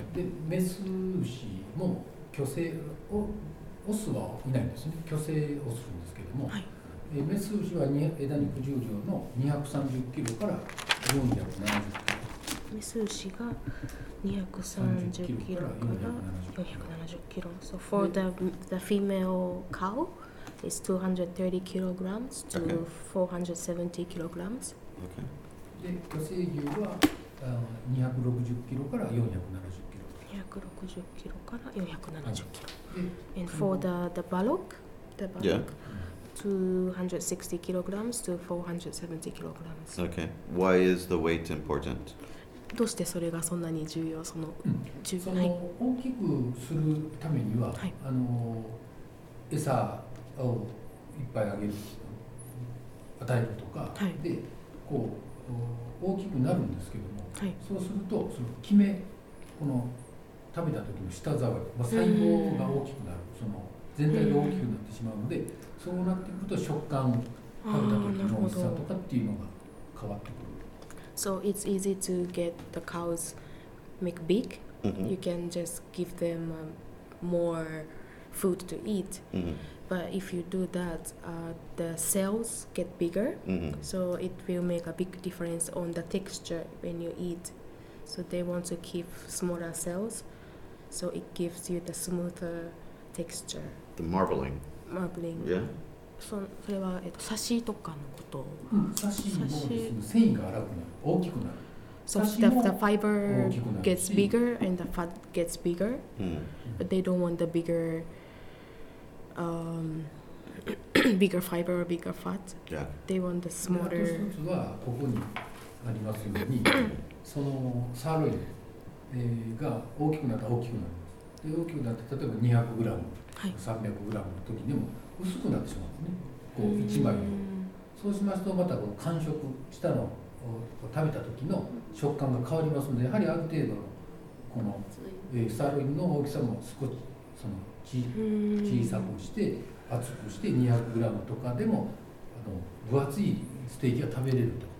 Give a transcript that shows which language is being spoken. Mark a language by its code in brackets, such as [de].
[ja] で、メス牛も去勢を、オスはいないんですね。去勢をするんですけども、はい、メス牛は枝肉重量の230キロから470キロ。メス牛が230キロから470キロ。 [en] So for the female cow, it's 230 kilograms to 470 kilograms. Okay. [ja] で、去勢牛は260キロから470キロ。 260キロから470キロ。 [en] And for the bullock, the bullock, 260 kilograms to 470 kilograms. Okay. Why is the weight important? [ja] どうしてそれがそんなに重要、その、うん、その大きくするためには、はい、あの餌をいっぱいあげる、与えるとか、はい、でこう大きくなるんですけども、はい、そうするとそのキメ、この食べた時の舌触り、まあ、細胞が大きくなる、その全体が大きくなってしまうので、そうなってくると食感、食べた時の美味しさとかっていうのが変わってくる。 [en] So it's easy to get the cows make big. You can just give them more food to eat. But if you do that, the cells get bigger. So it will make a big difference on the texture when you eat. So they want to keep smaller cells. So it gives you the smoother texture. The marbling. Marbling. Yeah. [ja] それは、サシとかのこと、うん、サシもですね、繊維が粗くなる、大きくなる。 [en] So the fiber gets bigger and the fat gets bigger、うん、 but they don't want the bigger, bigger fiber or bigger fat、 yeah. they want the smaller。 [ja] 一つはここにありますようにそのサーロインが大きくなったら大きくなる。で大きくなって、例えば 200g、はい、 300g の時でも薄くなってしまうんですね、こう1枚を。そうしますと、またこう感触、舌の食べた時の食感が変わりますので、やはりある程度のこのサーロインの大きさも少しその小さくして、厚くして 200g とかでも、あの分厚いステーキが食べれると。